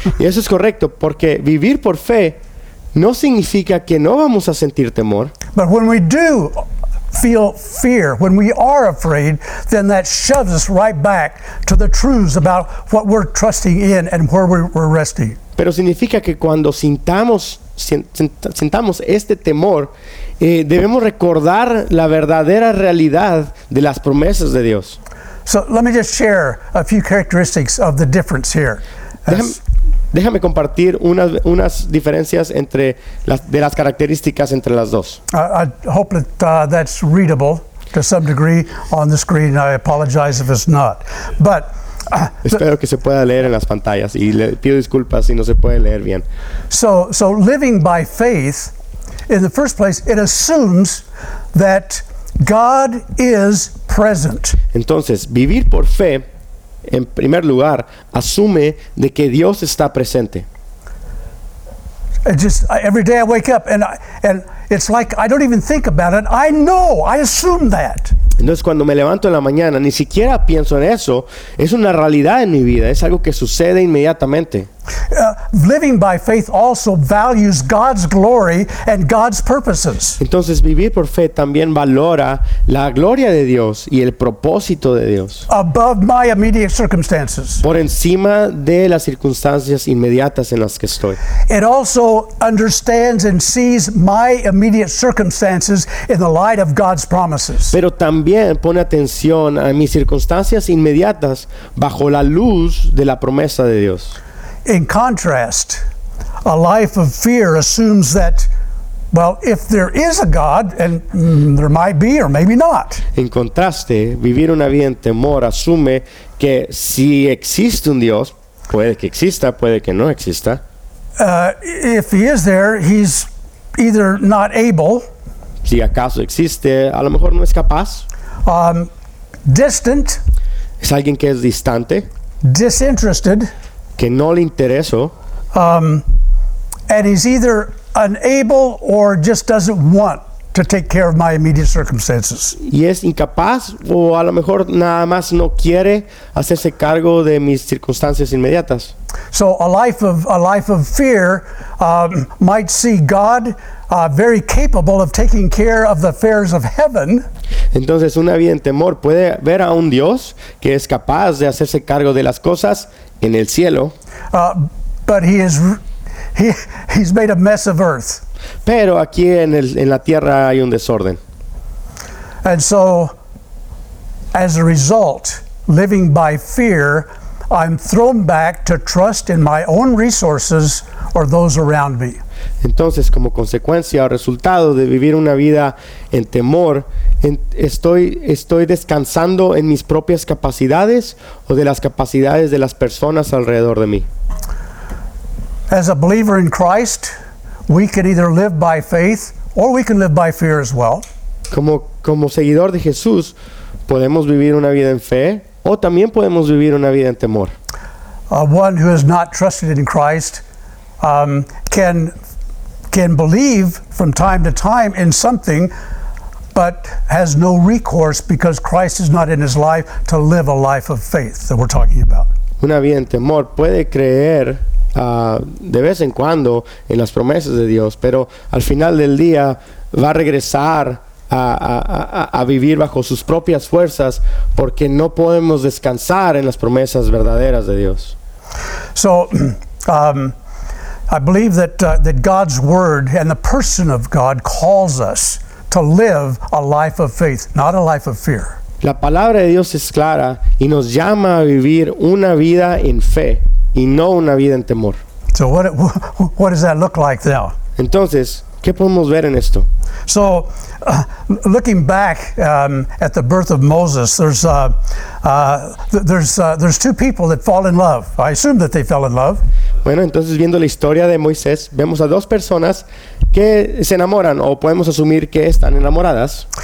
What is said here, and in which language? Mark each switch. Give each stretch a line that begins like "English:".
Spanish: Y eso es correcto, porque vivir por fe no significa que no vamos a sentir temor.
English: But when we do feel fear, when we are afraid, then that shoves us right back to the truths about what we're trusting in and where we're resting.
Spanish: Pero significa que cuando sintamos este temor, debemos recordar la verdadera realidad de las promesas de Dios.
English: So let me just share a few characteristics of the difference here.
Spanish: Déjame compartir unas diferencias entre las características entre las dos.
English: I hope that that's readable to some degree on the screen. I apologize if it's not. But
Spanish: espero que se pueda leer en las pantallas y le pido disculpas si no se puede leer bien.
English: So living by faith, in the first place, it assumes that God is present.
Spanish: Entonces, vivir por fe, en primer lugar, asume de que Dios está presente.
English: Every day I wake up and it's like I don't even think about it. I know, I assume that.
Spanish: Entonces, cuando me levanto en la mañana, ni siquiera pienso en eso. Es una realidad en mi vida. Es algo que sucede inmediatamente.
English: Living by faith also values God's glory and God's purposes.
Spanish: Entonces, vivir por fe también valora la gloria de Dios y el propósito de Dios.
English: Above my immediate circumstances.
Spanish: Por encima de las circunstancias inmediatas en las que estoy.
English: It also understands and sees my immediate circumstances in the light of God's promises.
Spanish: Pero también pone atención a mis circunstancias inmediatas bajo la luz de la promesa de Dios.
English: In contrast, a life of fear assumes that, well, if there is a God, and there might be or maybe not.
Spanish: En contraste, vivir una vida en temor asume que si existe un Dios, puede que exista, puede que no exista.
English: If he is there, he's either not able.
Spanish: Si acaso existe, a lo mejor no es capaz.
English: Distant.
Spanish: Es alguien que es distante.
English: Disinterested.
Spanish: Que no le interesó.
English: And he's either unable or just doesn't want to take care of my immediate circumstances.
Spanish: Y es incapaz o a lo mejor nada más no quiere hacerse cargo de mis circunstancias inmediatas.
English: So a life of fear might see God very capable of taking care of the affairs of heaven.
Spanish: Entonces una vida en temor puede ver a un Dios que es capaz de hacerse cargo de las cosas en el cielo.
English: But he's made a mess of earth.
Spanish: Pero aquí en la tierra hay un desorden.
English: And so, as a result, living by fear, I'm thrown back to trust in my own resources or those around me.
Spanish: Entonces, como consecuencia o resultado de vivir una vida en temor, estoy descansando en mis propias capacidades o de las capacidades de las personas alrededor de mí.
English: As a believer in Christ, we can either live by faith or we can live by fear as well.
Spanish: Como seguidor de Jesús, podemos vivir una vida en fe o también podemos vivir una vida en temor.
English: One who has not trusted in Christ can believe from time to time in something but has no recourse because Christ is not in his life to live a life of faith that we're talking about.
Spanish: Una vida en temor puede creer de vez en cuando en las promesas de Dios, pero al final del día va a regresar a vivir bajo sus propias fuerzas porque no podemos descansar en las promesas verdaderas de Dios.
English: So I believe that that God's word and the person of God calls us to live a life of faith, not a life of fear.
Spanish: La palabra de Dios es clara y nos llama a vivir una vida en fe y no una vida en temor.
English: So what does that look like now?
Spanish: Entonces, ¿qué podemos ver en esto?
English: So, looking back at the birth of Moses, there's two people that fall in love. I assume that they fell in love.
Spanish: Bueno, entonces viendo la historia de Moisés, vemos a dos personas que se enamoran o podemos asumir que están enamoradas.